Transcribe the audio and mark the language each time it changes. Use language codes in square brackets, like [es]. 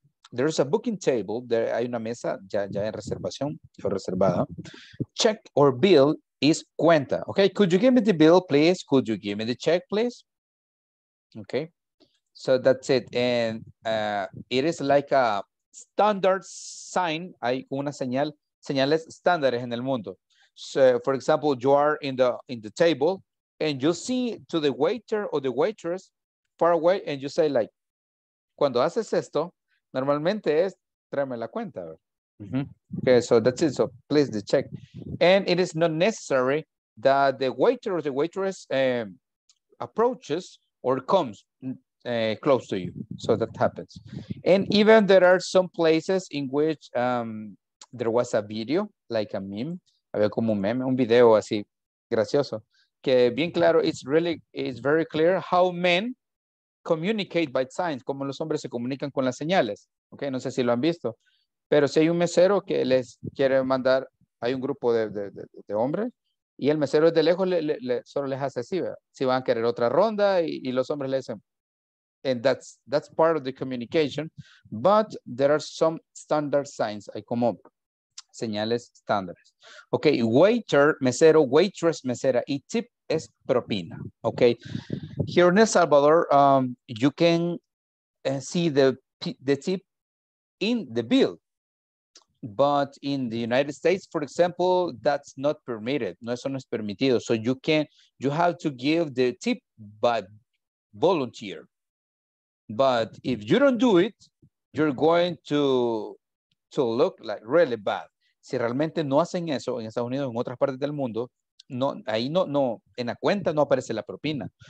[en] There is a booking table. There [es] hay una mesa ya en reservación o reservada. [en] Check or bill is cuenta. Okay. Could you give me the bill, please? Could you give me the check, please? Okay. So that's it, and it is like a standard sign. [es] Hay una señal, señales estándares en el mundo. [en] So, for example, you are in the table, and you see to the waiter or the waitress far away, and you say like, [es] cuando haces esto, normalmente es tráeme la cuenta. [en] Mm-hmm. Okay, so that's it. So please the check, and it is not necessary that the waiter or the waitress approaches or comes close to you, so that happens. And even there are some places in which there was a video, like a meme, [es] había como un meme, un video así gracioso, que bien claro, [en] it's very clear how men communicate by signs, [es] como los hombres se comunican con las señales. Okay, no sé si lo han visto, pero si hay un mesero que les quiere mandar, hay un grupo de hombres. Y el mesero de lejos solo les hace así, ¿verdad? Si van a querer otra ronda y los hombres le dicen. [en] And that's part of the communication, but there are some standard signs. [es] Hay como señales estándares. Okay, waiter, mesero, waitress, mesera, y tip es propina. [en] Okay, here in El Salvador, you can see the tip in the bill. But in the United States, for example, that's not permitted. [es] No, eso no es permitido. [en] So you have to give the tip by volunteer. But if you don't do it, you're going to look like really bad. [es] si realmente no hacen eso en Estados Unidos, en otras partes del mundo, no, ahí no, no, en la cuenta no aparece la propina.